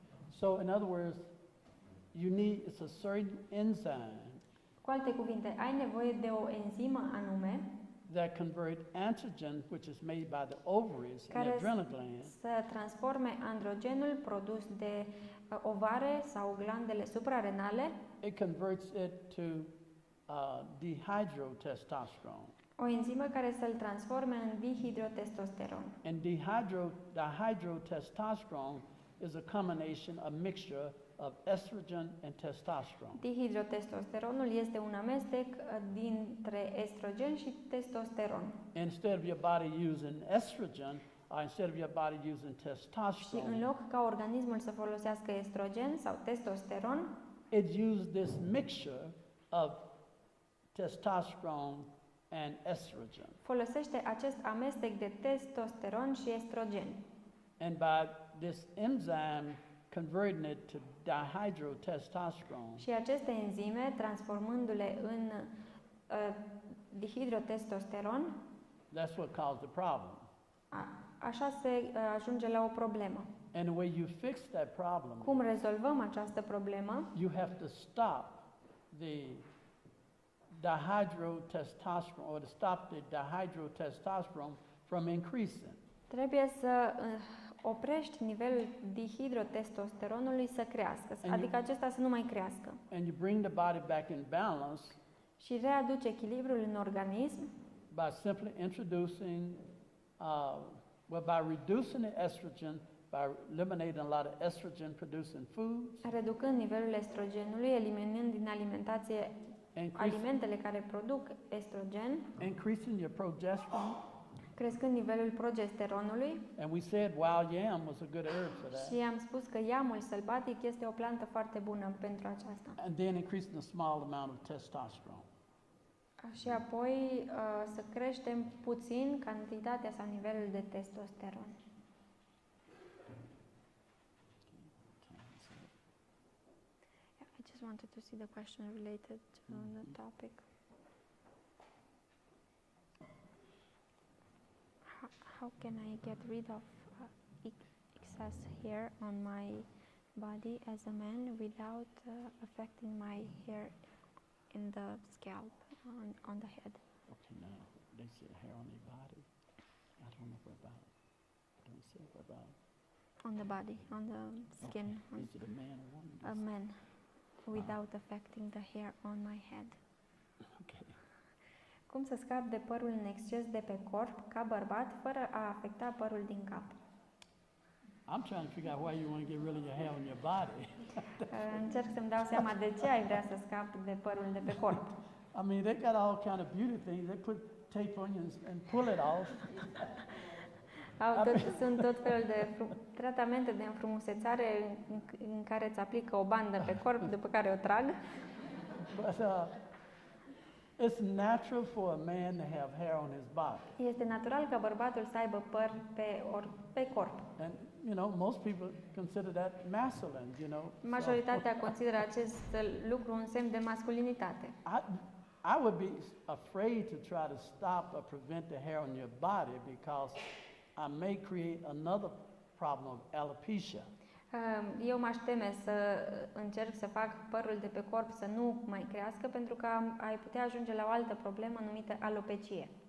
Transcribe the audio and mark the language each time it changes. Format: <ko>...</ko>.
<en>So in other words, you need it's a certain enzyme.</en> <ro>Cu alte cuvinte, ai nevoie de o enzimă anume</ro> <en>that convert antigen which is made by the ovaries and adrenal glands.</en> <ro>Să transforme androgenul produs de ovare sau glandele suprarenale.</ro> <en>It converts it to dehydrotestosterone.</en> <ro>O enzimă care să-l transforme în dihidrotestosteron.</ro> <en>And dihydrotestosterone is a combination, a mixture of estrogen and testosterone.</en> <ro>Dihidrotestosteronul este un amestec dintre estrogen și testosteron.</ro> <en>Instead of your body using estrogen, instead of your body using testosterone.</en> <ro>Și în loc ca organismul să folosească estrogen sau testosteron,</ro> <en>it uses this mixture of testosterone and estrogen.</en> <ro>Folosește acest amestec de testosteron și estrogen.</ro> <en>And by this enzyme converting it to dihydrotestosterone.</en> <ro>Și aceste enzime transformându-le în dihidrotestosteron.</ro> <en>That's what caused the problem.</en> <ro>Așa se ajunge la o problemă.</ro> <en>And the way you fix that problem.</en> <ro>Cum rezolvăm această problemă?</ro> <en>You have to stop the dihydrotestosterone or to stop the dihydrotestosterone from increasing.</en> <ro>Trebuie să oprești nivelul dihidrotestosteronului să crească, adică acesta să nu mai crească.</ro> <en>And you bring the body back in balance.</en> <ro>Și readuce echilibrul în organism.</ro> <en>By simply introducing by reducing the estrogen by eliminating a lot of estrogen producing foods.</en> <ro>Reducând nivelul estrogenului, eliminând din alimentație alimentele care produc estrogen.</ro> <en>Increasing your progesterone.</en> <ro>Crescând nivelul progesteronului.</ro> <en>And we said wild yam was a good herb for that.</en> <ro>Și am spus că iamul sălbatic este o plantă foarte bună pentru aceasta.</ro> <en>And then increasing a small amount of testosterone.</en> <ro>Și apoi să creștem puțin cantitatea sau nivelul de testosteron.</ro> <en>Yeah, I just wanted to see the question related to the topic. How can I get rid of excess hair on my body as a man without affecting my hair in the scalp? On the head. Okay, now they said hair on the body. I don't know about. I don't see about. On the body, on the skin. Okay. On is it a man or woman? A man, without affecting the hair on my head. Okay.</en> <ro>Cum să scap de părul în exces de pe corp ca bărbat fără a afecta părul din cap?</ro> <en>I'm trying to figure out why you want to get rid of your hair on your body.</en> <ro>Încerc să-mi dau seama de ce ai vrea să scap de părul de pe corp.</ro> <en>I mean, they got all kind of beauty things. They put tape on you and pull it off.</en> <ro>Au tot, sunt tot felul de tratamente de înfrumusețare în care îți aplică o bandă pe corp, după care o trag.</ro> <en>But it's natural for a man to have hair on his body.</en> <ro>Este natural ca bărbatul să aibă păr pe corp.</ro> <en>And you know, most people consider that masculine, you know.</en> <ro>Majoritatea consideră acest lucru un semn de masculinitate.</ro> <en>I would be afraid to try to stop or prevent the hair on your body because I may create another problem of alopecia.</en> <ro>Eu m-aș teme să încerc să fac părul de pe corp să nu mai crească pentru că ai putea ajunge la o altă problemă numită alopecie.</ro>